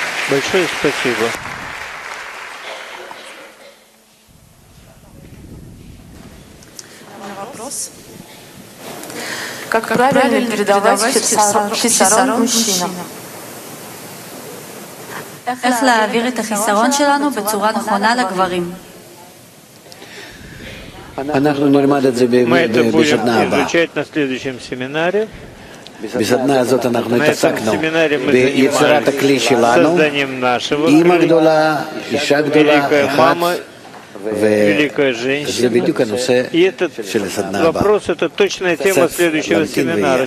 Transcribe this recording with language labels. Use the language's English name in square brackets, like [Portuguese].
[Russian] Большое спасибо. Вопрос. Как правильно передавать хисарон мужчинам? [Hebrew] איך להעביר את החיסרון שלנו בצורה נכונה לגברים? אנחנו נלמד את זה בשנה הבאה. [Russian] Мы это будем изучать на следующем семинаре. [Hebrew] בסדנה הזאת אנחנו התעסקנו ביצירת הכלי שלנו, אימא גדולה, אישה גדולה, אחת, [Russian] великая женщина. И этот вопрос, это точная тема следующего семинара.